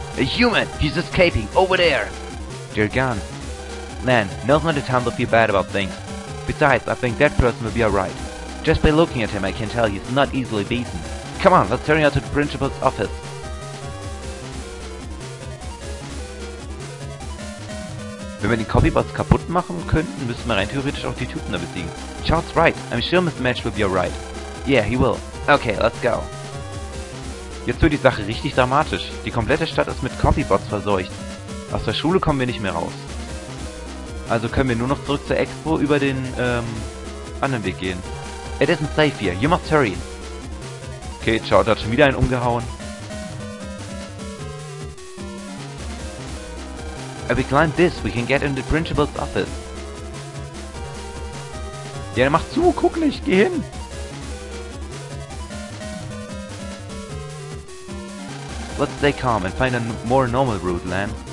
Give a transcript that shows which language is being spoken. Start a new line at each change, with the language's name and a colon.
English: A human! He's escaping! Over there! They're gone. Lan, now's not the time to feel bad about things. Besides, I think that person will be alright. Just by looking at him, I can tell he's not easily beaten. Come on, let's hurry out to the principal's office.
German: Wenn wir den Copybots kaputt machen könnten, müssten wir rein theoretisch auch die Typen da besiegen.
English: Charles right. I'm sure Mr. Match will be alright. Yeah, he will. Okay, let's go.
German: Jetzt wird die Sache richtig dramatisch. Die komplette Stadt ist mit Copybots verseucht. Aus der Schule kommen wir nicht mehr raus. Also können wir nur noch zurück zur Expo über den, anderen Weg gehen.
English: It isn't safe here. You must hurry.
German: Okay, Chart hat schon wieder einen umgehauen.
English: If we climb this, we can get in the principal's office.
German: Ja, dann mach zu, guck nicht, geh hin.
English: Let's stay calm and find a more normal route, Lan.